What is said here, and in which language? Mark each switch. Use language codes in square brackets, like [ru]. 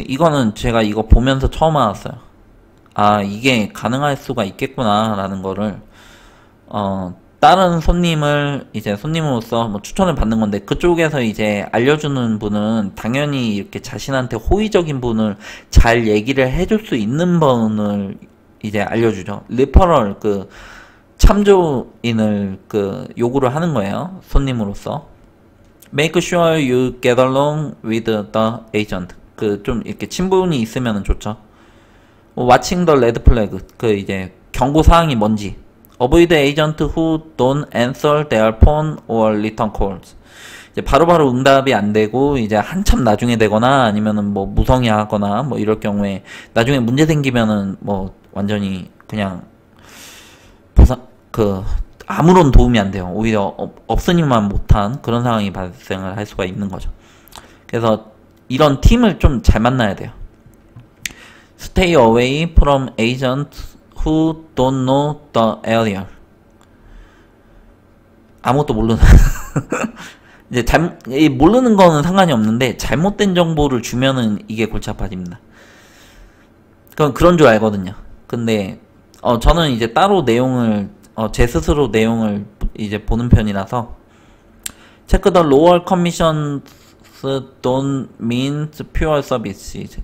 [ko] 이거는 제가 이거 보면서 처음 알았어요. 아, 이게 가능할 수가 있겠구나라는 거를 다른 손님을 이제 손님으로서 뭐 추천을 받는 건데 그쪽에서 이제 알려주는 분은 당연히 이렇게 자신한테 호의적인 분을 잘 얘기를 해줄 수 있는 분을 이제 알려주죠. 리퍼럴 그 참조인을 그 요구를 하는 거예요. 손님으로서. [en] Make sure you get along with the agent. [ko] 그좀 이렇게 친분이 있으면 좋죠. [en] Watching the red flag. [ko] 그 이제 경고 사항이 뭔지. [en] Avoid agent who don't answer their phone or return calls. [ko] 이제 바로바로 응답이 안 되고 이제 한참 나중에 되거나 아니면은 뭐 무성의하거나 뭐 이럴 경우에 나중에 문제 생기면은 뭐 완전히 그냥 보상 그 아무런 도움이 안 돼요. 오히려 없으니만 못한 그런 상황이 발생을 할 수가 있는 거죠. 그래서 이런 팀을 좀잘 만나야 돼요. [en] Stay away from agents who don't know the area. [ko] 아무것도 모르는. 이제 모르는 거는 상관이 없는데, 잘못된 정보를 주면은 이게 골치 아파집니다. 그건 그런 줄 알거든요. 근데, 저는 이제 따로 내용을, 제 스스로 내용을 이제 보는 편이라서, [en] Check the lower commission don't mean pure services.